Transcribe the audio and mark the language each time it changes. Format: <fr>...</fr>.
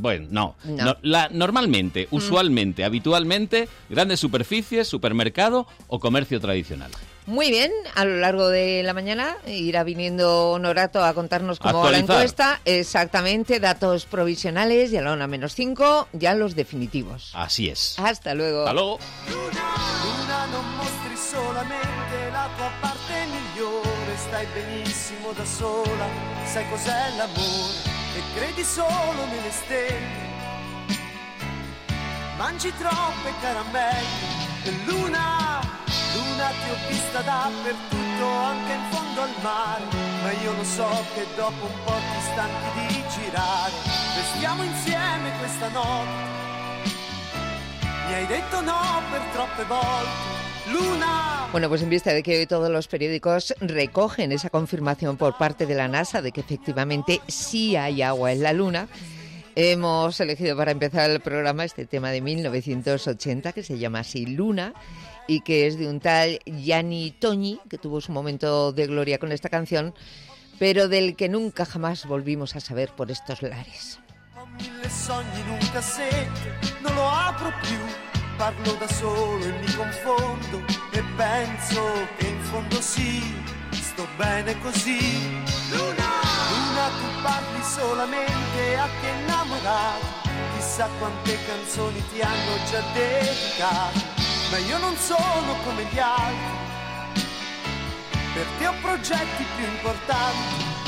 <es>Bueno, no. Normalmente, usualmente, habitualmente, grandes superficies, supermercado o comercio tradicional. Muy bien, a lo largo de la mañana irá viniendo Honorato a contarnos cómo va la encuesta. Exactamente, datos provisionales y a la 1:-5, ya los definitivos. Así es. Hasta luego. Hasta luego.</es> <it>Luna, luna, no mostres solamente la tua parte migliore. Stai benissimo da sola, sai cos'è l'amore. E credi solo nelle stelle, mangi troppe caramelle. Luna, luna, ti ho vista dappertutto, anche in fondo al mare. Ma io lo so che dopo un po' ti stanchi di girare. Restiamo insieme questa notte, mi hai detto no per troppe volte. Luna.</it> <es>Bueno, pues en vista de que hoy todos los periódicos recogen esa confirmación por parte de la NASA de que efectivamente sí hay agua en la Luna, hemos elegido para empezar el programa este tema de 1980 que se llama así, Luna, y que es de un tal Gianni Togni, que tuvo su momento de gloria con esta canción, pero del que nunca jamás volvimos a saber por estos lares.</es> <it>Parlo da solo e mi confondo e penso che in fondo sì, sto bene così. Luna, luna, tu parli solamente a chi è innamorato, chissà quante canzoni ti hanno già dedicato, ma io non sono come gli altri, perché ho progetti più importanti.</it>